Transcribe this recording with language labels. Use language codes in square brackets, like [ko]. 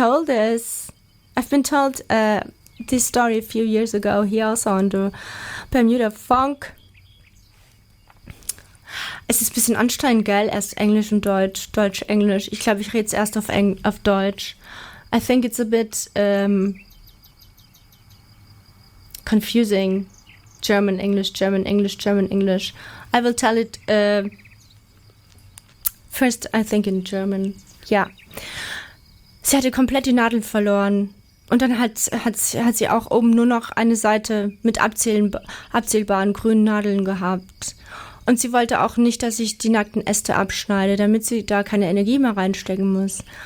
[en] I've been told this story a few years ago. He also on the Bermuda Funk. [de] Es ist ein bisschen anstrengend, gell? Erst Englisch und Deutsch, Deutsch, Englisch. Ich glaube, ich rede es erst auf Deutsch. [en] I think it's a bit confusing. German, English, German, English, German, English. I will tell it first, I think, in German. [de] Ja. Sie hatte komplett die Nadeln verloren. Und dann hat sie auch oben nur noch eine Seite mit abzählbaren grünen Nadeln gehabt. Und sie wollte auch nicht, dass ich die nackten Äste abschneide, damit sie da keine Energie mehr reinstecken muss.